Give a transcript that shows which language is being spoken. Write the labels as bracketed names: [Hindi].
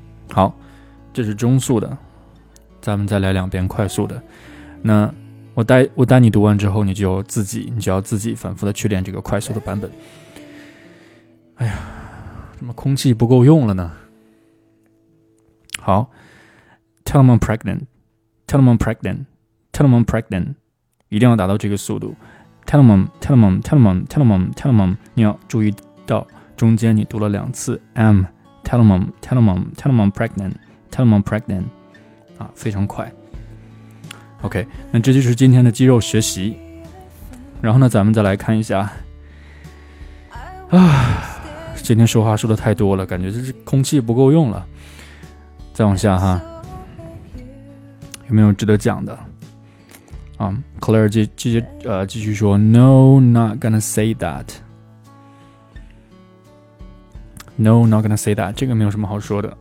[Chinese] 好，这是中速的，咱们再来两遍快速的。那我带你读完之后，你就要自己反复的去练这个快速的版本。哎呀，怎么空气不够用了呢？ [English] 好， Tell them I'm pregnant， Tell them I'm pregnant， Tell them I'm pregnant， [Chinese] 一定要达到这个速度。 [English] Tell them， Tell them， Tell them， Tell them， Tell them， [Chinese] 你要注意到中间你读了两次 [English] M， Tell them， Tell them， Tell them I'm pregnant， Tell them I'm pregnant， [Chinese] 啊，非常快。 OK， 那这就是今天的肌肉学习。然后呢，咱们再来看一下啊，今天说话说的太多了，感觉这是空气不够用了。再往下哈，有没有值得讲的啊？ Claire 继续说 [English] No not gonna say that， [Chinese] No not gonna say that， 这个没有什么好说的。